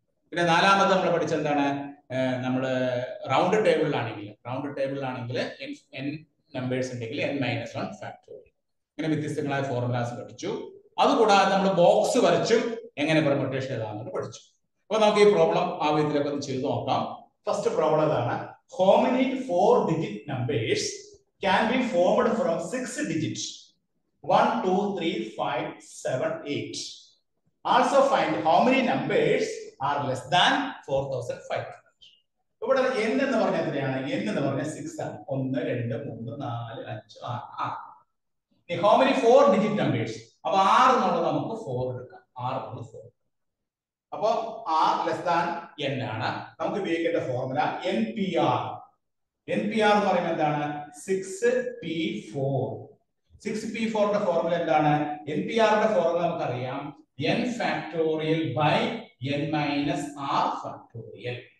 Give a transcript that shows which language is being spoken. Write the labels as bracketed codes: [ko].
[ml] പിന്നെ നാലാമത് നമ്മൾ പഠിച്ചെന്താണ്, നമ്മൾ round ടേബിളിലാണെങ്കിൽ, round ടേബിളിലാണെങ്കിൽ N N numbers ഉണ്ടെങ്കിൽ എൻ മൈനസ് വൺ ഫാക്ടോറിയൽ. ഇങ്ങനെ വ്യത്യസ്തങ്ങളായ ഫോർമുലാസ് പഠിച്ചു. അതുകൂടാതെ നമ്മൾ ബോക്സ് വരച്ചും എങ്ങനെ പെർമ്യൂട്ടേഷൻ ഇതാണെന്ന് പഠിച്ചു. അപ്പോൾ നമുക്ക് ഈ പ്രോബ്ലം ആ വിധത്തിലൊക്കെ ഒന്ന് ചെയ്ത് നോക്കാം. ഫസ്റ്റ് പ്രോബ്ലം ഇതാണ്, [en] how many four digit numbers can be formed from six digits 1 2 3 5 7 8, also find how many numbers are less than 4500. [ml] ഇവിടെ n എന്ന് പറഞ്ഞ എത്രയാണ്, n എന്ന് പറഞ്ഞ 6 ആണ്, 1 2 3 4 5 6. ഈ [en] how many four digit numbers, [ml] അപ്പോൾ 6 എന്നുള്ളത് നമുക്ക് 4 എടുക്കാം, 6 എന്നുള്ളത് 4. അപ്പോൾ [en] r less than n [ml] ആണ്. നമുക്ക് ഉപയോഗിക്കേണ്ട formula N P R. N P R എന്ന് പറയുന്നത് എന്താണ്, 6p4 ന്റെ ഫോർമുല എന്താണ്, എൻ പി ആറിന്റെ ഫോർമുല നമുക്കറിയാം, N factorial by N minus R factorial.